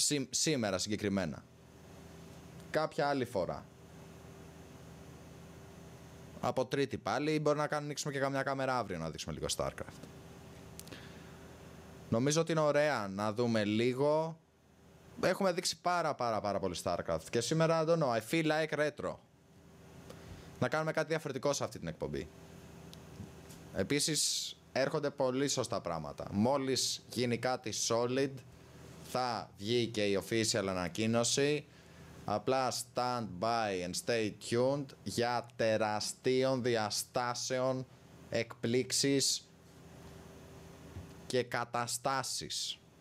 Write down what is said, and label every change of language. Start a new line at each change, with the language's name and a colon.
Greek: Σήμερα συγκεκριμένα. Κάποια άλλη φορά. Από τρίτη πάλι, μπορεί να ανοίξουμε και καμιά κάμερα αύριο να δείξουμε λίγο StarCraft. Νομίζω ότι είναι ωραία να δούμε λίγο. Έχουμε δείξει πάρα πολύ StarCraft. Και σήμερα,
English: I don't know, I feel like retro.
Greek: Να κάνουμε κάτι διαφορετικό σε αυτή την εκπομπή. Επίσης, έρχονται πολύ σωστά πράγματα. Μόλις γίνει κάτι solid, θα βγει και η official ανακοίνωση. Απλά
English: stand by and stay tuned
Greek: για τεραστίων διαστάσεων εκπλήξεις και καταστάσεις.